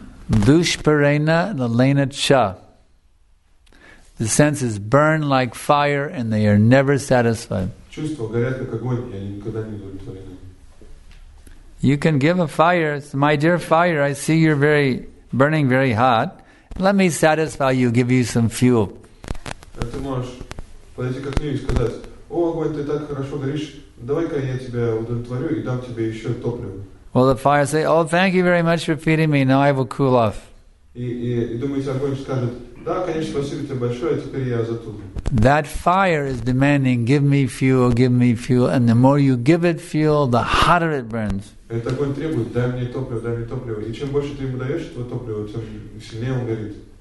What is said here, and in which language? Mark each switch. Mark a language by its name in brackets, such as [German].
[Sanskrit] Dushparena lalena cha. [English] The senses burn like fire and they are never satisfied. You can give a fire, my dear fire, I see you're burning very hot. Let me satisfy you, give you some fuel. [Russian] Ты можешь подойти к огню и сказать: о, огонь, ты так хорошо горишь, Давай-ка я тебя удовлетворю и дам тебе еще топливо. [English] Well, the fire say, oh, thank you very much for feeding me. Now I will cool off. [Russian] И думаете, огонь скажет, да, конечно, спасибо тебе большое, теперь я затухну. [English] That fire is demanding, give me fuel, and the more you give it fuel, the hotter it burns. [Russian] Этот огонь требует, дай мне топливо, и чем больше ты ему даешь этого топлива, тем сильнее он горит.